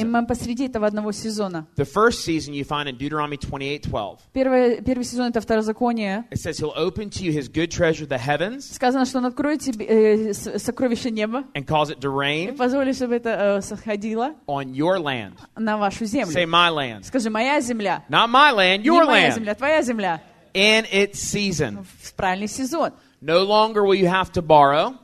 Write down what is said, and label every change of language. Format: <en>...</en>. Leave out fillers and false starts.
<ru>И мы посреди этого одного сезона.</ru> <en>The first season you find in Deuteronomy 28:12.</en> <ru>Первый сезон это Второзаконие.</ru> <en>It says he'll open to you his good treasure, the heavens.</en> <ru>Сказано, что он откроет тебе сокровище неба.</ru> <en>And cause it to rain.</en> <ru>Позволи, чтобы это сходило.</ru> <en>On your land.</en> <ru>На вашу землю.</ru> <en>Say my land.</en> <ru>Скажи, моя земля.</ru> <en>Not my land, your land.</en> <ru>Не моя земля, твоя земля.</ru> <en>In its season.</en> <ru>В правильный сезон.</ru> <en>No longer will you have to borrow.</en>